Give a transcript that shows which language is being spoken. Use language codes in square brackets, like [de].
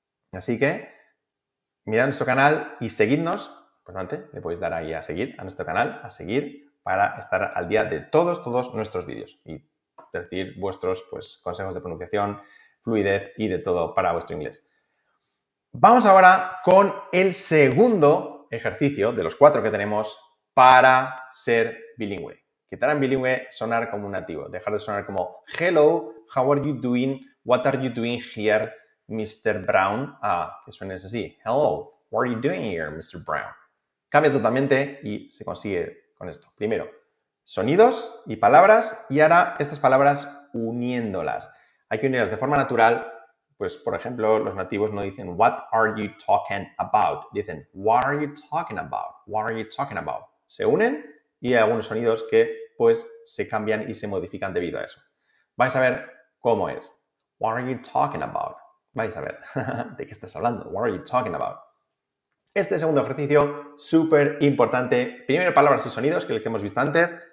[es] Así que, mirad nuestro canal y seguidnos, importante, le podéis dar ahí a seguir, a nuestro canal, a seguir, para estar al día de todos, todos nuestros vídeos y recibir vuestros, pues, consejos de pronunciación, fluidez y de todo para vuestro inglés. Vamos ahora con el segundo ejercicio de los cuatro que tenemos para ser bilingüe. Quitar en bilingüe, sonar como un nativo. Dejar de sonar como, [en] hello, how are you doing, what are you doing here, Mr. Brown. [es] Ah, que suene así. [en] Hello, what are you doing here, Mr. Brown? [es] Cambia totalmente y se consigue con esto. Primero, sonidos y palabras, y ahora estas palabras uniéndolas. Hay que unirlas de forma natural. Pues, por ejemplo, los nativos no dicen [en] what are you talking about. [es] Dicen [en] what are you talking about, what are you talking about. [es] Se unen y hay algunos sonidos que, pues, se cambian y se modifican debido a eso. Vais a ver cómo es. [en] What are you talking about? [es] Vais a ver de qué estás hablando. [en] What are you talking about? [es] Este segundo ejercicio, súper importante. Primero palabras y sonidos, que los que hemos visto antes.